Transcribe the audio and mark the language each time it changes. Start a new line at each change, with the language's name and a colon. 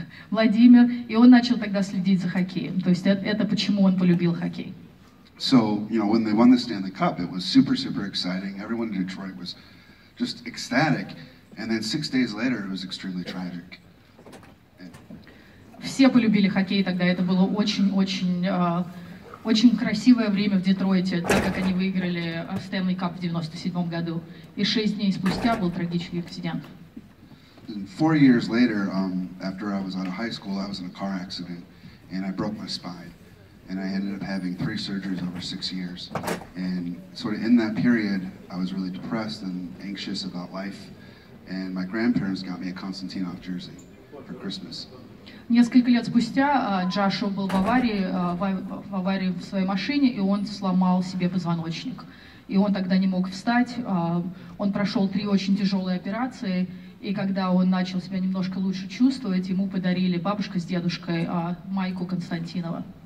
Russian: Владимир, и он начал тогда следить за хоккеем. То есть это почему он полюбил хоккей.
English: So, you know, when they won the Stanley Cup, it was super, super exciting. Everyone in Detroit was just ecstatic. And then 6 days later, it was extremely tragic.
Russian: Все полюбили хоккей тогда. Это было очень красивое время в Детройте, так как они выиграли Stanley Cup в 97 году. И 6 дней спустя был трагический инцидент.
English: And 4 years later, after I was out of high school, I was in a car accident, and I broke my spine. And I ended up having 3 surgeries over 6 years. And sort of in that period, I was really depressed and anxious about life. And my grandparents got me a Konstantinov jersey for Christmas.
Russian: Несколько лет спустя Джошуа был в аварии в своей машине, и он сломал себе позвоночник. И он тогда не мог встать. Он прошел 3 очень тяжелые операции. И когда он начал себя немножко лучше чувствовать, ему подарили бабушка с дедушкой майку Константинова.